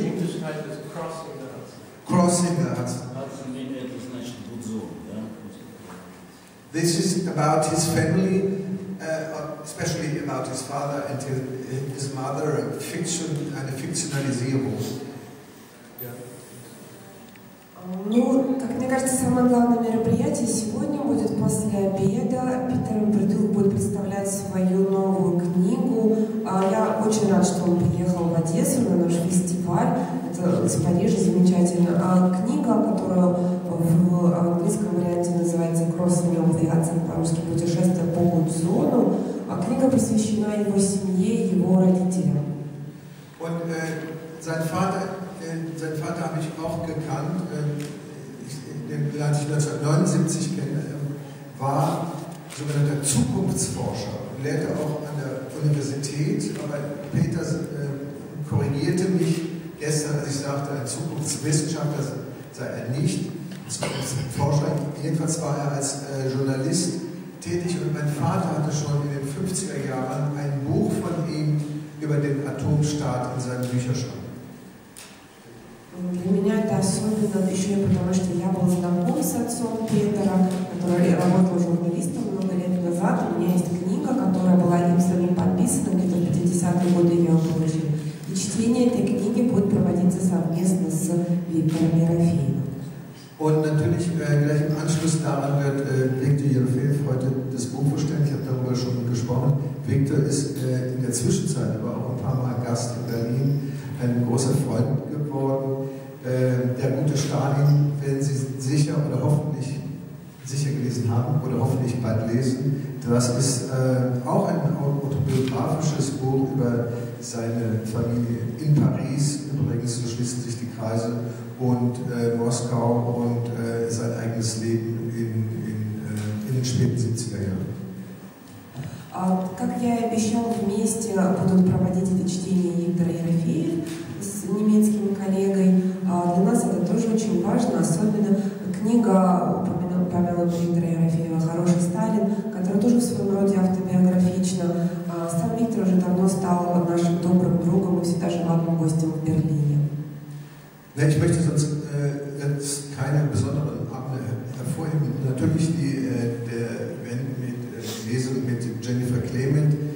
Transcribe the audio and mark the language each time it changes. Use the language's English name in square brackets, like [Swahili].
[English] The English title is Crossing the Hudson. Crossing the Hudson. Hudson in English means Hudson, yeah. This is about his family. Especially about his father and his mother, fiction and fictionalizable. [Russian] Ну, как мне кажется, самое главное мероприятие сегодня будет после обеда. Питер Брюдл будет представлять свою новую книгу. Я очень рад, что он приехал в Одессу на наш фестиваль. Это из Парижа замечательно. А книга, которую в английском варианте называется «Crossing of the Hudson», по-русски «Путешествие по Гудзону», а книга посвящена его семье и его родителям. [German] Und sein Vater habe ich auch gekannt, den lernte ich 1979 kennen, war sogenannter Zukunftsforscher, lehrte auch an der Universität, aber Peter korrigierte mich gestern, als ich sagte, ein Zukunftswissenschaftler sei er nicht. Forscher. Jedenfalls war er als Journalist tätig und mein Vater hatte schon in den 50er Jahren ein Buch von ihm über den Atomstaat in seinen Bücherschrank. [Russian] Для меня это особенно еще и потому, что я был знаком с отцом Петера, который работал журналистом много лет назад. У меня есть книга, которая была им самим подписана, где-то в 50-е годы ее получил. И чтение этой книги будет проводиться совместно с Виктором Ерофеевым. [German] Und natürlich gleich im Anschluss daran wird Viktor Jerofejew heute das Buch vorstellen. Ich habe darüber schon gesprochen. Viktor ist in der Zwischenzeit aber auch ein paar Mal Gast in Berlin, ein großer Freund geworden. Der gute Stalin, werden Sie sicher oder hoffentlich sicher gelesen haben oder hoffentlich bald lesen. Das ist auch ein autobiografisches Buch über seine Familie in Paris. Übrigens so schließen sich die Kreise. Und Moskau und sein eigenes Leben in den späten 70er Jahren. [Russian] Как я и обещал, вместе будут проводить это чтение Виктор Ерофеев с немецким коллегой. Для нас это тоже очень важно, особенно книга упомянула Виктора Ерофеева «Хороший Сталин», которая тоже в своем роде автобиографична. Сам Виктор уже давно стал нашим добрым другом и всегда желанным гостем в Берлине. [German] Ich möchte sonst jetzt keine besonderen Abende hervorheben. Natürlich die der Event mit Lesung mit Jennifer Clement.